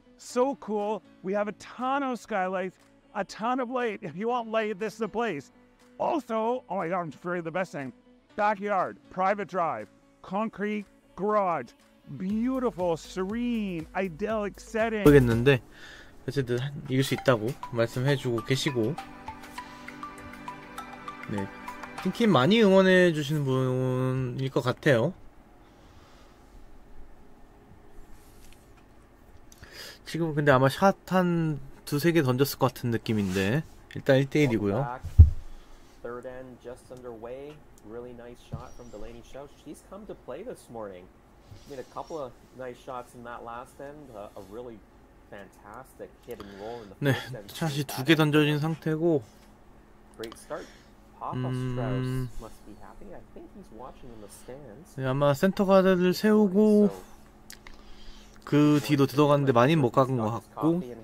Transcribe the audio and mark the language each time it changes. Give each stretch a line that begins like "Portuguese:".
English: So cool, we have a ton of skylights, a ton of light. If you want light, this is the place. Also, oh my God, I'm afraid of the best thing. Backyard, private drive, concrete garage, beautiful, serene, idyllic setting.
Korean: 모르겠는데 어쨌든 이길 수 있다고 말씀해주고 계시고 네 팀킴 많이 응원해 주시는 분일 것 같아요. 지금 근데 아마 샷 한 두세 개 던졌을 것 같은 느낌인데 일단 1대1이고요.
English: Third end just underway. Really nice shot from Delaney Shaw. She's come to play this morning. She made a couple of nice shots in that last end. A really fantastic hit and roll in the first end.
Korean: 네, 샷이 두 개 던져진 상태고.
English: Great start. Papa Strauss must be happy. I think he's watching in the stands.
Korean: 네, 아마 센터 가드를 세우고 그 뒤로 들어갔는데 많이 못 가는 것 같고.